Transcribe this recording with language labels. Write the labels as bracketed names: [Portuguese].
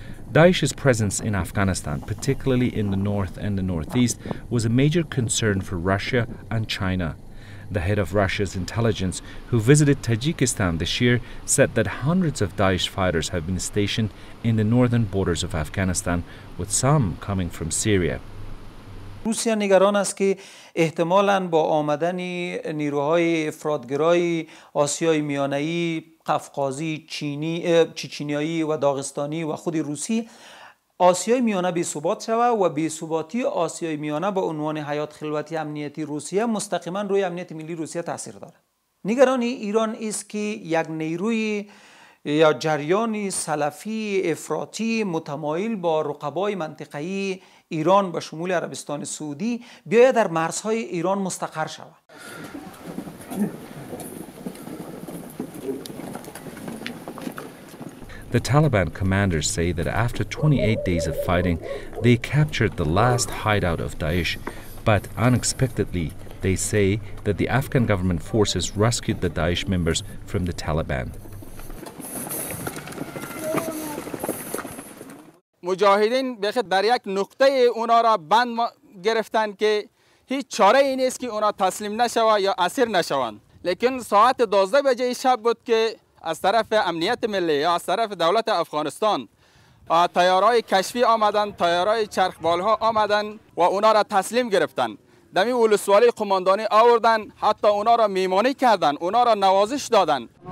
[English] Daesh's presence in Afghanistan, particularly in the north and the northeast, was a major concern for Russia and China. The head of Russia's intelligence, who visited Tajikistan this year, said that hundreds of Daesh fighters have been stationed in the northern borders of Afghanistan, with some coming from Syria. [Persian] روسیه نگران است که احتمالاً با آمدن نیروهای افرادگرای آسیای میانه‌ای، قفقازی، چینی، چچنیایی و داغستانی و خود روسی آسیای میانه بی‌ثبات شود و بی‌ثباتی آسیای میانه به عنوان حیات خلوتی امنیتی روسیه مستقیماً روی امنیت ملی روسیه تاثیر دارد. نگرانی ایران است که یک نیروی یا جریان سلفی افراطی متمایل با رقبای منطقه‌ای ایران به شمول عربستان سعودی بیاید در مرزهای ایران مستقر شود. [English] The Taliban commanders say that after 28 days of fighting, they captured the last hideout of Daesh. But unexpectedly, they say that the Afghan government forces rescued the Daesh members from the Taliban. [Persian] مجاهدین بخیر در یک نقطه اونا را بند گرفتن که هیچ چاره ای نیست که اونا تسلیم نشوا یا اسیر نشوند لیکن ساعت 12 بجه شب بود که از طرف امنیت ملی یا از طرف دولت افغانستان تیارهای کشفی آمدن تیارهای چرخبال ها آمدن و اونا را تسلیم گرفتن دمی ولسوالی قماندانی آوردن حتی اونا را میمانی کردن اونا را نوازش دادن